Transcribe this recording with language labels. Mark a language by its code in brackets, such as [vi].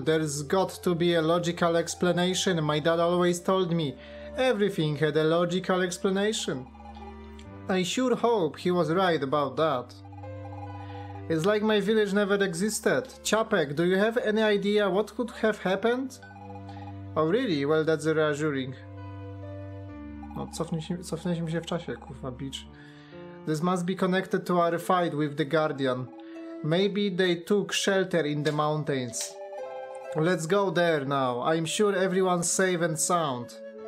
[en] There's got to be a logical explanation. My dad always told me everything had a logical explanation. I sure hope he was right about that. It's like my village never existed. Čapek, do you have any idea what could have happened? Oh really? Well, that's reassuring. [pl] No, cofnęliśmy się w czasie, kurwa, bitch. [en] This must be connected to our fight with the Guardian. Maybe they took shelter in the mountains. Let's go there now. I'm sure everyone's safe and sound.